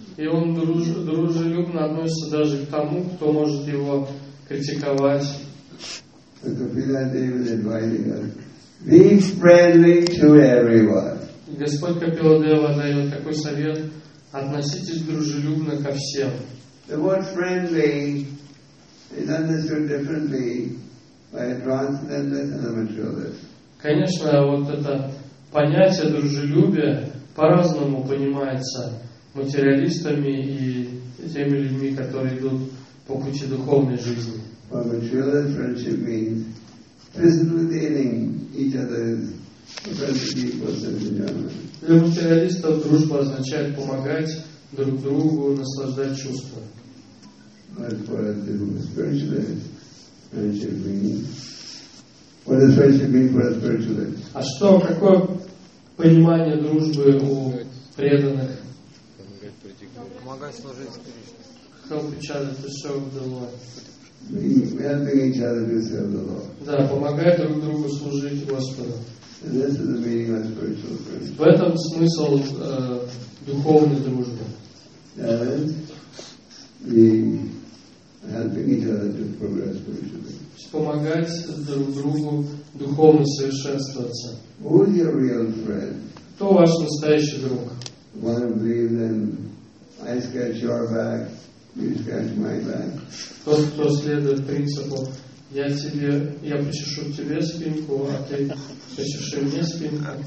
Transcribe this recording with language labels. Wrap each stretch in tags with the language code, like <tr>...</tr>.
<ru>И он дружелюбно относится даже к тому, кто может его критиковать.</ru> <en>Be friendly to everyone.</en> <ru>Господь Капиладева дает такой совет: относитесь дружелюбно ко всем.</ru> <en>The word friendly is understood differently by a transcendentalist and a materialist.</en> <ru>Конечно, вот это понятие дружелюбия по-разному понимается материалистами и теми людьми, которые идут по пути духовной жизни.</ru> <en>For materialist friendship means physically dealing each other's friendship.</en> <ru>Для материалистов дружба означает помогать друг другу, наслаждать чувства.</ru> <en>But for a spiritualist, friendship means what does friendship mean for a spiritualist?</en> <ru>А что, какое понимание дружбы у преданных? Помогать служить Кришне.</ru> <en>Help each other to serve the Lord. Helping each other to serve the Lord.</en> <ru>Да, помогая друг другу служить Господу.</ru> <en>And this is the meaning of spiritual friendship.</en> <ru>В этом смысл духовной дружбы.</ru> <en>Helping each other to progress spiritually.</en> <ru>Помогать друг другу духовно совершенствоваться.</ru> <en>Who is your real friend?</en> <ru>Кто ваш настоящий друг?</ru> <en>One believes in I scratch your back, you scratch my back.</en> <ru>Тот, кто следует принципу: я почешу тебе спинку, а ты почеши мне спинку.</ru>